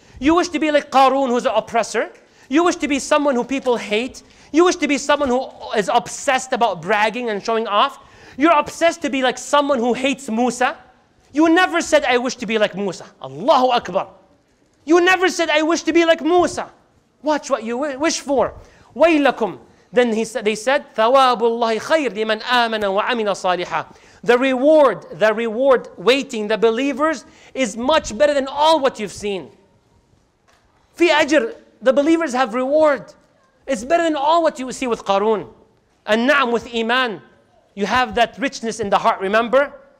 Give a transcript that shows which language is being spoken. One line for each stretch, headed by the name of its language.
English: You wish to be like Qarun, who's an oppressor. You wish to be someone who people hate. You wish to be someone who is obsessed about bragging and showing off. You're obsessed to be like someone who hates Musa. You never said, I wish to be like Musa. Allahu Akbar. You never said, I wish to be like Musa. Watch what you wish for.
Arabic: وَيْلَكُمْ.
English: Then they said,
Arabic: ثَوَابُ اللَّهِ خَيْرٌ لِمَنْ آمَنَ وَعَمِنَ صَالِحًا.
English: The reward waiting the believers is much better than all what you've seen. Fi ajr, the believers have reward. It's better than all what you see with Qarun. And na'am, with Iman, you have that richness in the heart, remember?